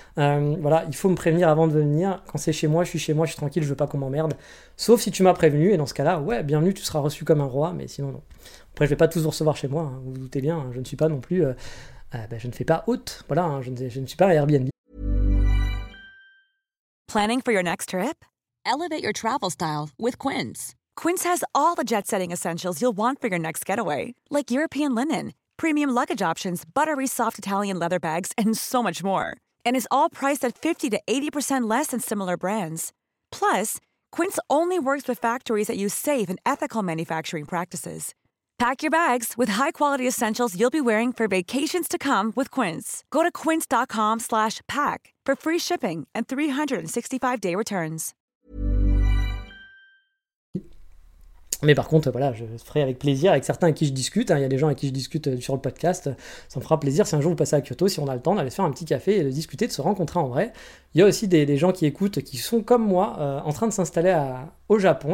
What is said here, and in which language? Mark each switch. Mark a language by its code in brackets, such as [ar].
[fr] Voilà, il faut me prévenir avant de venir. Quand c'est chez moi, je suis tranquille, je veux pas qu'on m'emmerde. Sauf si tu m'as prévenu, et dans ce cas-là, ouais, bienvenue, tu seras reçu comme un roi, mais sinon, non. Après, je vais pas tous vous recevoir chez moi, hein, vous doutez bien, hein, je ne suis pas non plus. Je ne fais pas hôte, voilà, hein, je ne suis pas Airbnb. [en] Planning for your next trip? Elevate your travel style with Quince. Quince has all the jet-setting essentials you'll want for your next getaway, like European linen, premium luggage options, buttery soft Italian leather bags, and so much more. And it's all priced at 50 to 80% less than similar brands. Plus, Quince only works with factories that use safe and ethical manufacturing practices. Pack your bags with high-quality essentials you'll be wearing for vacations to come with Quince. Go to quince.com/pack for free shipping and 365-day returns. [fr] Mais par contre, voilà, je ferai avec plaisir avec certains avec qui je discute. Hein, il y a des gens avec qui je discute sur le podcast. Ça me fera plaisir si un jour vous passez à Kyoto, si on a le temps, d'aller se faire un petit café et de discuter, de se rencontrer en vrai. Il y a aussi des gens qui écoutent, qui sont comme moi, en train de s'installer au Japon.